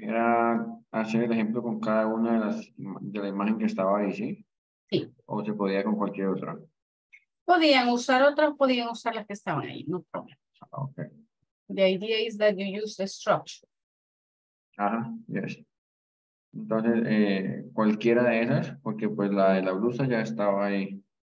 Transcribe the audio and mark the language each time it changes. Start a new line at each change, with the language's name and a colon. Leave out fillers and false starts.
Spanish: Era hacer el ejemplo con cada una de las de la imagen que estaba ahí, ¿sí? Sí. O se podía con cualquier otra. Podían usar otras, podían usar las que estaban ahí,
English: no problem.
Spanish: Ok.
English: The idea is that you use the structure. Ajá, yes.
Spanish: Entonces, cualquiera de esas, porque pues la de la blusa ya estaba ahí.